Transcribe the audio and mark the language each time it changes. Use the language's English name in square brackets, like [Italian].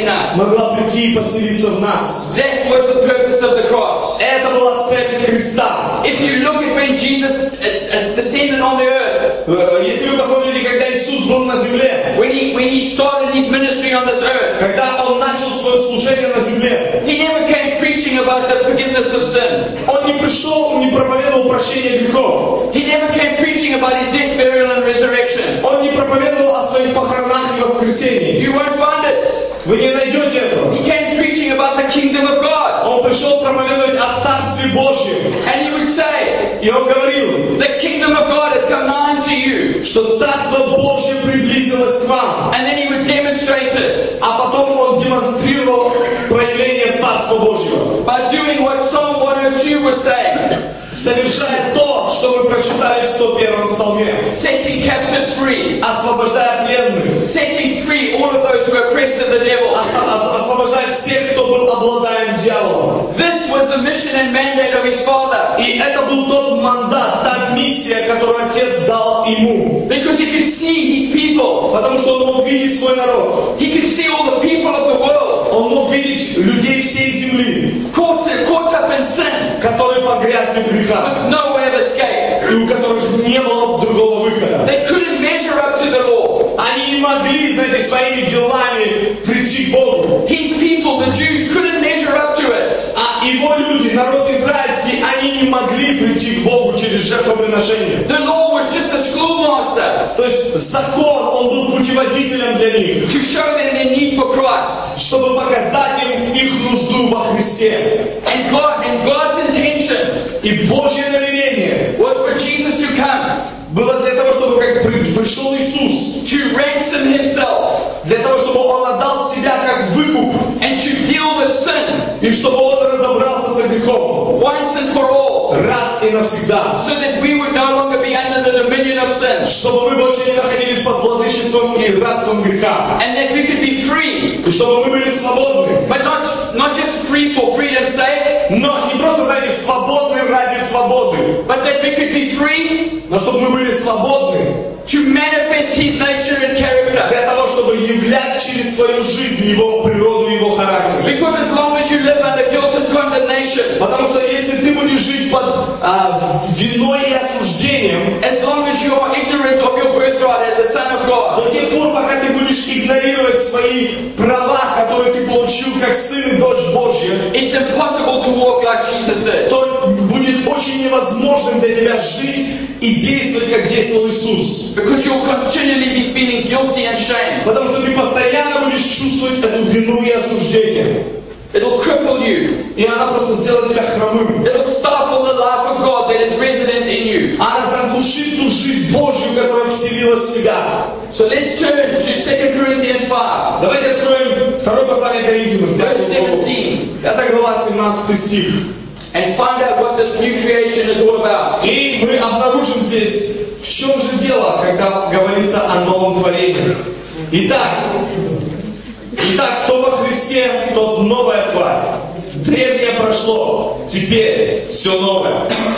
[Russian] смогла прийти и поселиться в нас. [English] That was the purpose of the cross. [Russian] Это была цель креста. [English] If you look at when Jesus descended on the earth. [Russian] Если вы посмотрите, когда Иисус был на земле. [English] When he started his ministry on this earth. [Russian] Когда он начал свое служение на земле. [English] He never came preaching about the forgiveness of sin. [Russian] Он не пришел, он не проповедовал прощение грехов. [English] He never came preaching about his death, burial, and resurrection. [Russian] Он не проповедовал о своих похоронах и воскресении. [English] You won't find it. [Russian] Вы не найдете этого. [English] He came preaching about the kingdom of God. [Russian] Он пришел проповедовать о Царстве Божьем. [English] And he would say. [Russian] И он говорил. [English] The kingdom of God has come nigh unto you. [Russian] Что Царство Божье приблизилось к вам. [English] And then he would demonstrate it. [Russian] А потом он демонстрировал проявление Царства Божьего. [English] By doing what Psalm 102 was saying. [Russian] Совершая то, что мы прочитали в 101-м псалме. [English] Setting captives free. [Russian] Освобождая пленных. [English] Setting free all of those who are oppressed of the devil. [Russian] Освобождая всех, кто был обладаем дьяволом. [English] This was the mission and mandate of his father. [Russian] И это был тот мандат, та миссия, которую отец дал ему. [English] Because he could see his people. [Russian] Потому что он мог видеть свой народ. [English] He could see all the people of the world. [Russian] Он мог видеть людей всей земли. [English] Caught up in sin. [Russian] Которые погрязли в грехах. [English] With no way of escape. [Russian] И у которых не было другого выхода. [English] They couldn't measure up to the law. [Russian] Они не могли, знаете, своими делами прийти к Богу. [English] His people, the Jews, couldn't measure up to it. [Russian] А его люди, народ израильский, они не могли прийти к Богу через жертвоприношение. [English] The law was just a schoolmaster. [Russian] То есть закон, он был путеводителем для них. [English] To show them their need for Christ. [Russian] Чтобы показать им их нужду во Христе. [English] And God's intention. [Russian] И Божье намерение. [English] Was for Jesus to come. [Russian] Было для того, чтобы как пришел Иисус. [English] To ransom himself. [Russian] Для того, чтобы он отдал себя как выкуп. [English] And to deal with sin. [Russian] И чтобы он разобрался с грехом. [English] Once and for all. [Russian] Раз и навсегда. [English] So that we would no longer be under the dominion of sin. [Russian] Чтобы мы больше не находились под владычеством и рабством греха. [English] And that we could be free. [Russian] И чтобы мы были свободны. [English] But not just free for freedom's sake. [Russian] Но не просто, знаете, свободны ради свободы. [English] But that we could be free. [Russian] Но чтобы мы были свободны. [English] To manifest his nature and character. [Russian] Для того, чтобы являть через свою жизнь его природу и его характер. [English] Because as long as you live under guilt and condemnation. [Russian] Потому что если ты будешь жить под виной и осуждением. [English] As long as you are ignorant of your birthright as a son of God. [Russian] До тех пор, пока ты будешь игнорировать свои права, которые ты получил как сын и дочь Божья. [English] It's impossible to walk like Jesus did. [Russian] То будет очень невозможным для тебя жить и действовать, как действовал Иисус. [English] Because you'll continually be feeling guilty and shame. [Russian] Потому что ты постоянно будешь чувствовать эту вину и осуждение. [English] It'll cripple you. [Russian] И она просто сделает тебя хромым. [English] It'll stifle the life of God that is resident in you. [Russian] Она заглушит ту жизнь Божью, которая вселилась в тебя. [English] So let's turn to 2 Corinthians 5. [Russian] Давайте откроем 2 послание Коринфянам. Это глава 17 стих. [English] And find out what this new creation is all about. [Russian] И мы обнаружим здесь, в чем же дело, когда говорится о новом творении. Итак, кто во Христе, тот новая тварь. Древнее прошло, теперь все новое.